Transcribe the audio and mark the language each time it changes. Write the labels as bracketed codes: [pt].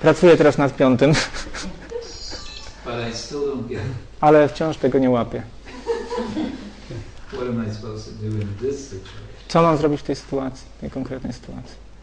[pl] Pracuję teraz nad piątym. [en] But I still don't get it. [pl] Ale wciąż tego nie łapię. [en] What am I supposed to do in this situation? [pl] Co mam zrobić w tej sytuacji, tej konkretnej sytuacji?